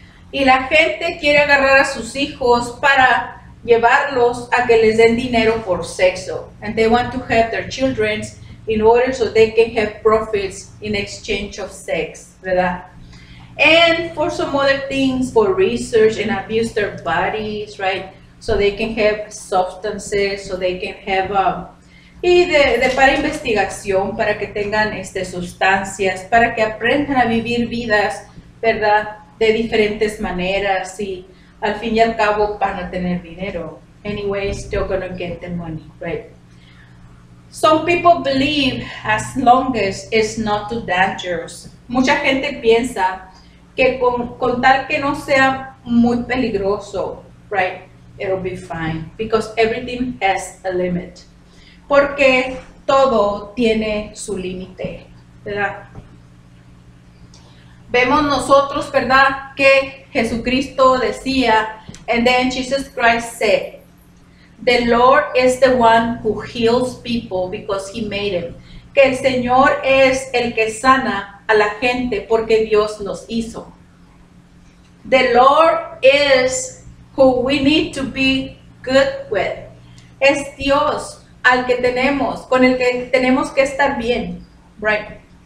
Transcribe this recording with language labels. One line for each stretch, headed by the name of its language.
Spanish: Y la gente quiere agarrar a sus hijos para llevarlos a que les den dinero por sexo.
English: And they want to have their children in order so they can have profits in exchange of sex, ¿verdad? And for some other things, for research and abuse their bodies, right? So they can have substances, so they can have,
Spanish: y de para investigación, para que tengan sustancias, para que aprendan a vivir vidas, ¿verdad? De diferentes maneras y al fin y al cabo van a tener dinero.
English: Anyway, still gonna get the money, right? Some people believe as long as it's not too dangerous.
Spanish: Mucha gente piensa que con tal que no sea muy peligroso,
English: right, it'll be fine. Because everything has a limit.
Spanish: Porque todo tiene su límite, ¿verdad? Vemos nosotros, ¿verdad?, que Jesucristo decía,
English: and then Jesus Christ said, the Lord is the one who heals people because he made him.
Spanish: Que el Señor es el que sana a la gente porque Dios los hizo.
English: The Lord is who we need to be good with.
Spanish: Es Dios al que tenemos, con el que tenemos que estar bien, right?